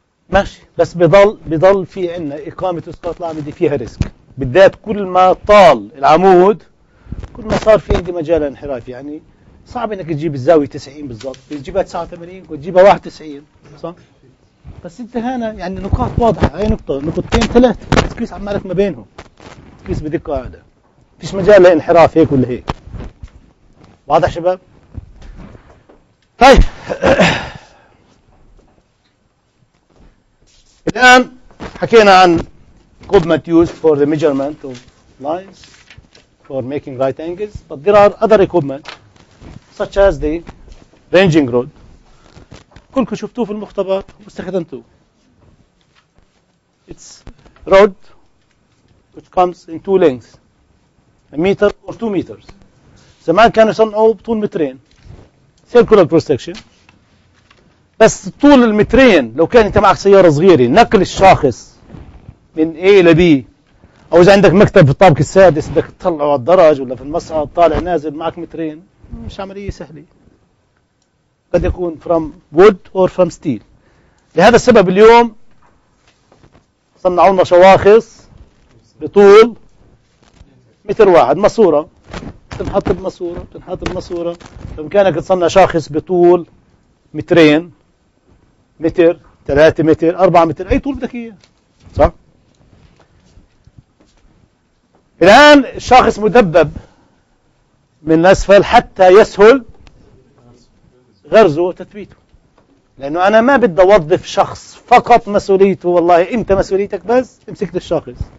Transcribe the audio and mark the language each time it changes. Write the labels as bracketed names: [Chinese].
[Arabic] ماشي بس بضل في عندنا إقامة الإسقاط الأعمدي فيها ريسك بالذات كل ما طال العمود كل ما صار في عندي مجال انحراف. يعني صعب إنك تجيب الزاوية 90 بالضبط، تجيبها 89 وتجيبها 91 صح؟ بس انت هنا يعني نقاط واضحة هاي نقطة نقطتين ثلاثة تقيس عمالك ما بينهم تقيس بدقة أعلى فيش مجال لانحراف هيك ولا هيك. واضح شباب؟ طيب الآن حكينا عن [English] equipment used for the measurement of lines for making right angles but there are other equipment such as the ranging rod [Arabic] كلكم شفتوه في المختبر واستخدمتوه. [English] It's rod which comes in two lengths, a meter or two meters. [Arabic] زمان كانوا يصنعوه بطول مترين. [English] Circular cross section. [Arabic] بس طول المترين لو كان انت معك سيارة صغيرة نقل الشاخص من A ل B أو إذا عندك مكتب في الطابق السادس بدك تطلعه على الدرج ولا في المصعد طالع نازل معك مترين مش عملية سهلة. قد يكون [English] from wood or from steel. [Arabic] لهذا السبب اليوم صنعوا لنا شواخص بطول متر واحد مصورة تنحط بمصورة تنحط بمصورة. بإمكانك تصنع شاخص بطول مترين متر ثلاثة متر أربعة متر أي طول بدك إياه صح؟ الآن الشاخص مدبب من أسفل حتى يسهل غرزه وتثبيته لانه انا ما بدي اوظف شخص فقط مسؤوليته والله انت مسؤوليتك بس امسك لي الشخص.